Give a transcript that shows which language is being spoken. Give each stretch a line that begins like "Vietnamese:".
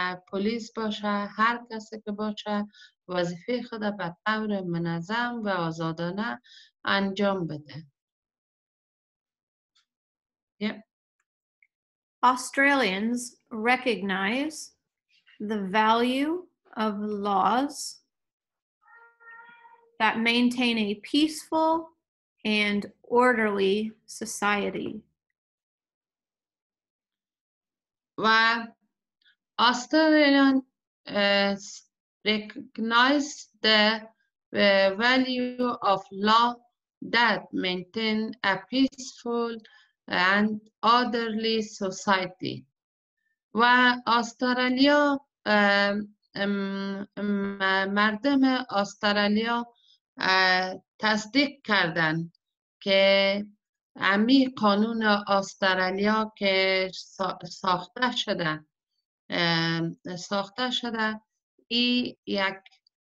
Persian: پلیس باشه هر کسی که باشه وظیفه خود به طور منظم و آزادانه انجام بده.
English: Australians recognize the value of laws that maintain a peaceful and orderly society. و Australian recognize the value of law that maintain a peaceful and orderly society.
Persian: و استرالیا مردم استرالیا تصدیق کردن که امی قانون استرالیا که ساخته شده ای یک